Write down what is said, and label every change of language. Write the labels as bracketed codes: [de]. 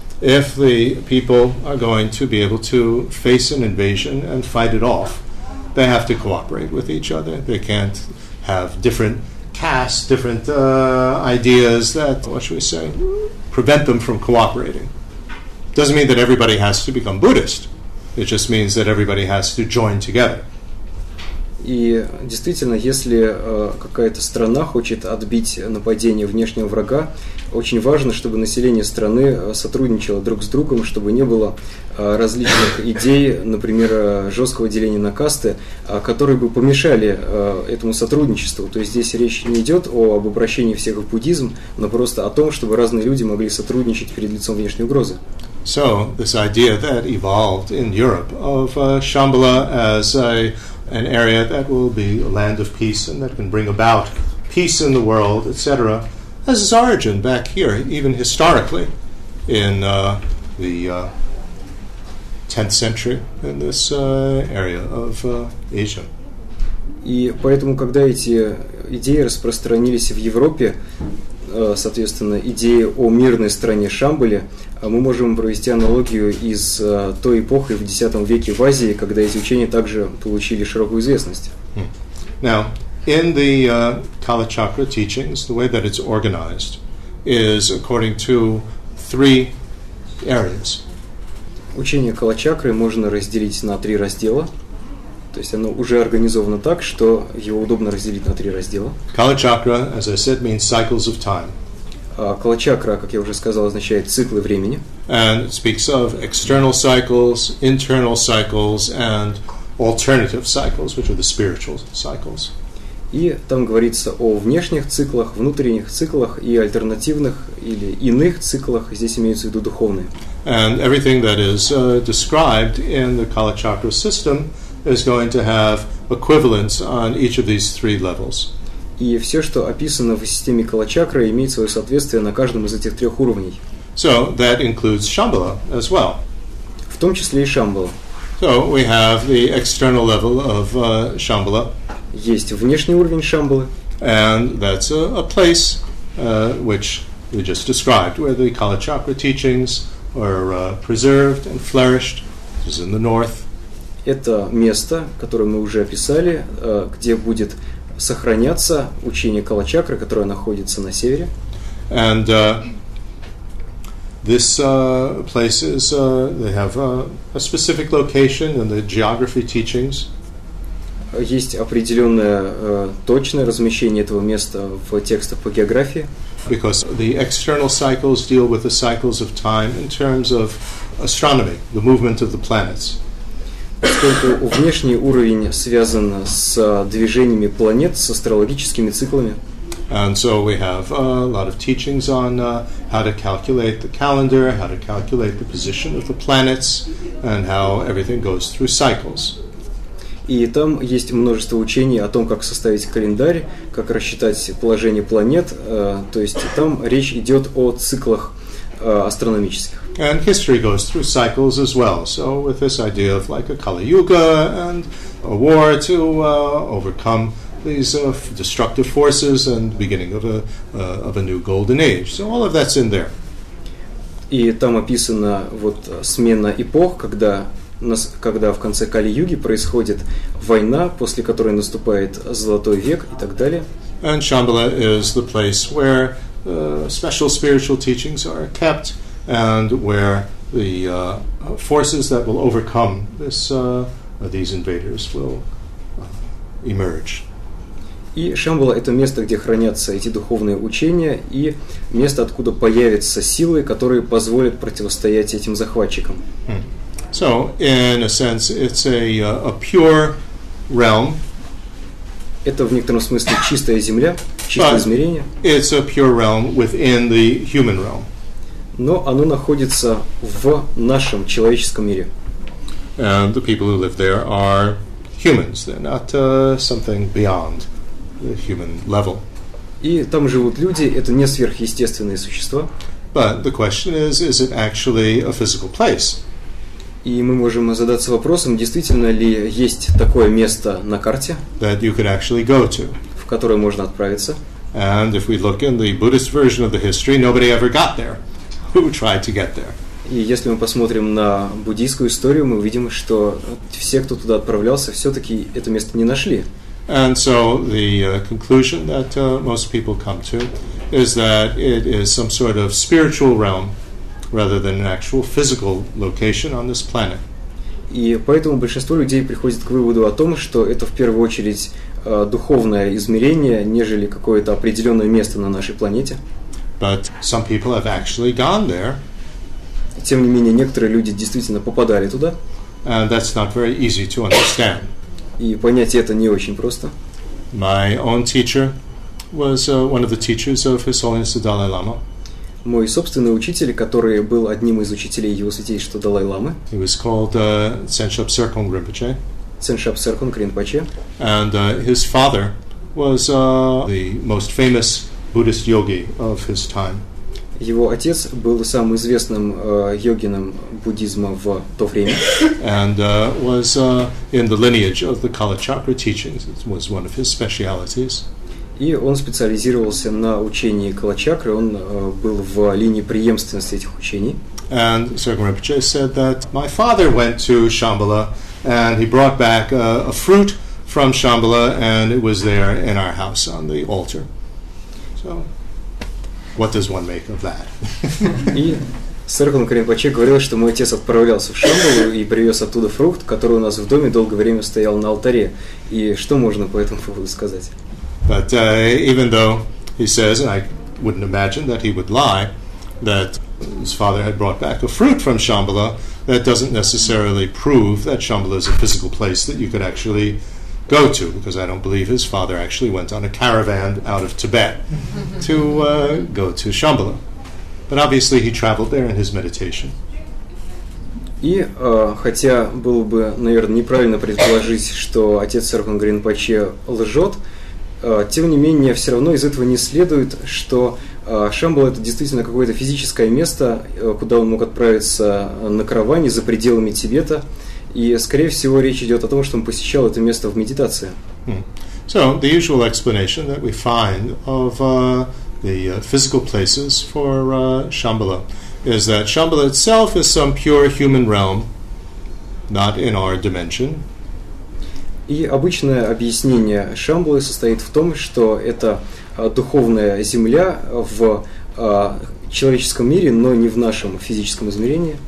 [en] If the people are going to be able to face an invasion and fight it off, they have to cooperate with each other. They can't have different castes, different ideas that, what should we say, prevent them from cooperating. Doesn't mean that everybody has to become Buddhist. It just means that everybody has to join together. [ru] И действительно, если какая-то страна хочет отбить нападение внешнего врага, очень важно, чтобы население страны сотрудничало друг с другом, чтобы не было различных идей, например, жесткого деления на касты, которые бы помешали этому сотрудничеству. То есть здесь речь не идет об обращении всех в буддизм, но просто о том, чтобы разные люди могли сотрудничать перед лицом внешней угрозы. [en] So, this idea that evolved in Europe of Shambhala as an area that will be a land of peace and that can bring about peace in the world, etc., has its origin back here, even historically, in the 10th century, in this area of Asia. [ru] И поэтому, когда эти идеи распространились в Европе, соответственно, идеи о мирной стране Шамбале, мы можем провести аналогию из той эпохи в X веке в Азии, когда эти учения также получили широкую известность. [en] Now, in the Kala Chakra teachings, the way that it's organized is according to three areas. [ru] Учение Кала Чакры можно разделить на три раздела. То есть оно уже организовано так, что его удобно разделить на три раздела. [en] Kala Chakra, as I said, means cycles of time. [ru] Калачакра, как я уже сказал, означает циклы времени. [en] And it speaks of external cycles, internal cycles, and alternative cycles, which are the spiritual cycles. [ru] И там говорится о внешних циклах, внутренних циклах и альтернативных или иных циклах. Здесь имеются в виду духовные. [en] And everything that is described in the Калачакра system is going to have equivalents on each of these three levels. [ru] И все, что описано в системе Калачакры, имеет свое соответствие на каждом из этих трех уровней. [en] So that includes Shambhala as well. [ru] В том числе и Шамбала. [en] So we have the external level of Shambhala. [ru] Есть внешний уровень Шамбалы. [en] And that's a place which we just described, where the Калачакра teachings are preserved and flourished. This is in the north. [ru] Это место, которое мы уже описали, где будет сохраняться учение Калачакры, которое находится на севере. [en] And this place is they have a specific location in the geography teachings. [ru] Есть определенное точное размещение этого места в текстах по географии. [en] Because the external cycles deal with the cycles of time in terms of astronomy, the movement of the planets. [ru] Поскольку внешний уровень связан с движениями планет, с астрологическими циклами. [en] And so we have a lot of teachings on how to calculate the calendar, how to calculate the position of the planets, and how everything goes through cycles. [ru] И там есть множество учений о том, как составить календарь, как рассчитать положение планет. То есть там речь идет о циклах астрономических. [en] And history goes through cycles as well. So with this idea of like a Kali Yuga and a war to overcome these destructive forces and beginning of a new golden age. So all of that's in there. [ru] И там описана вот смена эпох, когда в конце Кали-Юги происходит война, после которой наступает Золотой век и так далее. [en] And Shambhala is the place where special spiritual teachings are kept. And where the forces that will overcome these invaders will emerge. [ru] И Шамбала — это место, где хранятся эти духовные учения, и место, откуда появятся силы, которые позволят противостоять этим захватчикам. [en] So, in a sense, it's a pure realm. [ru] Это в некотором смысле чистая земля, чистое измерение. [en] It's a pure realm within the human realm. [ru] Но оно находится в нашем человеческом мире. [en] And the people who live there are humans. They're not something beyond the human level. [ru] И там живут люди. Это не сверхъестественные существа. [en] But the question is it actually a physical place? [ru] И мы можем задаться вопросом, действительно ли есть такое место на карте, [en] that you could actually go to, [ru] в которое можно отправиться. [en] And if we look in the Buddhist version of the history, nobody ever got there. Who tried to get there. [ru] И если мы посмотрим на буддийскую историю, мы увидим, что все, кто туда отправлялся, все-таки это место не нашли. [en] And so the conclusion that most people come to is that it is some sort of spiritual realm rather than an actual physical location on this planet. [ru] И поэтому большинство людей приходит к выводу о том, что это в первую очередь духовное измерение, нежели какое-то определенное место на нашей планете. [en] But some people have actually gone there. [ru] Тем не менее, некоторые люди действительно попадали туда. [en] And that's not very easy to understand. [ru] И понять это не очень просто. [en] My own teacher was one of the teachers of His Holiness the Dalai Lama. [ru] Мой собственный учитель, который был одним из учителей Его Святейшества Далай Ламы. [en] He was called Senshap Serkon Rinpoche. [ru] Senshap Serkon Rinpoche. [en] And his father was the most famous Buddhist yogi of his time. [ru] Его отец был самым известным йогином буддизма в то время. [en] And was in the lineage of the Kalachakra teachings. It was one of his specialities. [ru] И он специализировался на учении Калачакры. Он был в линии преемственности этих учений. [en] And Serkon Rinpoche said that my father went to Shambhala and he brought back a fruit from Shambhala and it was there in our house on the altar. So, what does one make of that? [ru] И Серкон Кринпоче говорил, что мой отец отправлялся в Шамбалу и привез оттуда фрукт, который у нас в доме долгое время стоял на алтаре. И что можно по этому поводу сказать? [en] But even though he says, and I wouldn't imagine that he would lie, that his father had brought back a fruit from Shambhala, that doesn't necessarily prove that Shambhala is a physical place that you could actually go to, because I don't believe his father actually went on a caravan out of Tibet to go to Shambhala. But obviously he traveled there in his meditation. [ru] И хотя было бы, наверное, неправильно предположить, что отец Серкон Гринпоче лжет, тем не менее, все равно из этого не следует, что Шамбала — это действительно какое-то физическое место, куда он мог отправиться на караване за пределами Тибета. И, скорее всего, речь идет о том, что он посещал это место в медитации. [en] So, the usual explanation that we find of the physical places for Shambhala is that Shambhala itself is some pure human realm, not in our dimension. [ru] И обычное объяснение Шамбалы состоит в том, что это духовная земля в человеческом мире, но не в нашем физическом измерении.